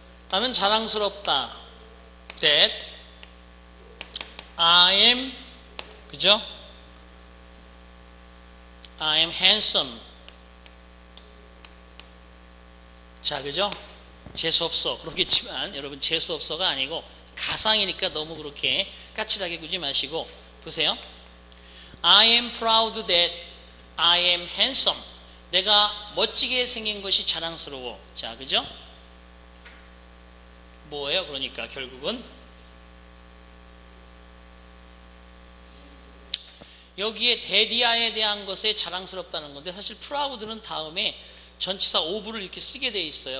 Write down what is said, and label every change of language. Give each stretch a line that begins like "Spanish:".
Korean: 나는 자랑스럽다.
English: That I am,
Korean: 그죠?
English: I am handsome.
Korean: 자, 그죠? 재수없어. 그렇겠지만, 여러분, 재수없어가 아니고, 가상이니까 너무 그렇게 까칠하게 굴지 마시고, 보세요.
English: I am proud that I am handsome.
Korean: 내가 멋지게 생긴 것이 자랑스러워. 자, 그죠? 뭐예요? 그러니까, 결국은. 여기에 대디아에 대한 것에 자랑스럽다는 건데, 사실 proud는 다음에 전치사 of를 이렇게 쓰게 돼 있어요.